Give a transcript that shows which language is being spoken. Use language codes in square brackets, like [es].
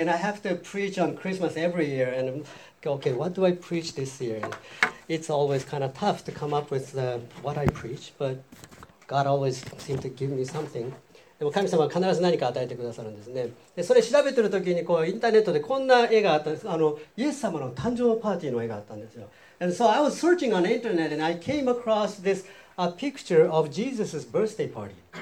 [en] And I have to preach on Christmas every year. And okay, what do I preach this year? It's always kind of tough to come up with what I preach, but God always seems to give me something. [ja] でも神様は必ず何か与えてくださるんですね。でそれ調べてる時にこうインターネットでこんな絵があったんです。イエス様の誕生パーティーの絵があったんですよ。 [en] And so I was searching on the internet and I came across this a picture of Jesus' birthday party.